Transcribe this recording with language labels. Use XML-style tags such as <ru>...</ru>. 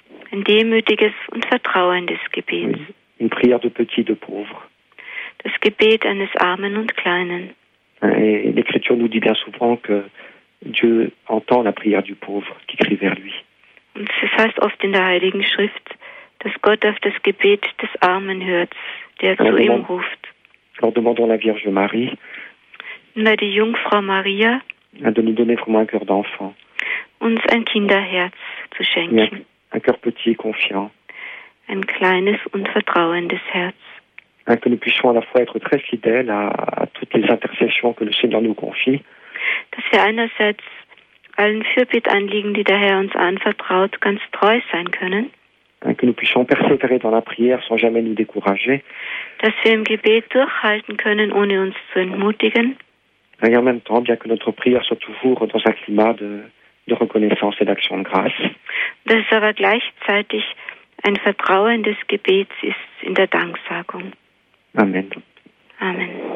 <de>Ein demütiges und vertrauendes Gebet.</de> <fr>Oui. Une prière de petit, de pauvre.</fr> <de>Das Gebet eines Armen und Kleinen.</de> <fr>Et l'Écriture nous dit bien souvent que Dieu entend la prière du pauvre qui crie vers lui.</fr> <de>Und es heißt oft in der Heiligen Schrift, dass Gott auf das Gebet des Armen hört, der zu ihm ruft.</de> <fr>Alors demandons la Vierge Marie.</fr> <de>Na, die Jungfrau Maria.</de> <fr>De nous donner vraiment un cœur d'enfant.</fr> <de>Uns ein Kinderherz zu schenken.</de> <fr>Un cœur petit et confiant.</fr> <de>Ein kleines und vertrauendes Herz.</de> <fr>Que nous puissions à la fois être très fidèles à toutes les intercessions que le Seigneur nous confie.</fr> <de>Dass wir einerseits allen Fürbitteanliegen, die der Herr uns anvertraut, ganz treu sein können.</de> <fr>Que nous puissions persévérer dans la prière sans jamais nous décourager.</fr> <de>Dass wir im Gebet durchhalten können, ohne uns zu entmutigen.</de> <fr>Et en même temps, bien que notre prière soit toujours dans un climat de reconnaissance et d'action de grâce.</fr> <de>Dass es aber gleichzeitig ein vertrauendes Gebet ist in der Danksagung. Amen. Amen.</de>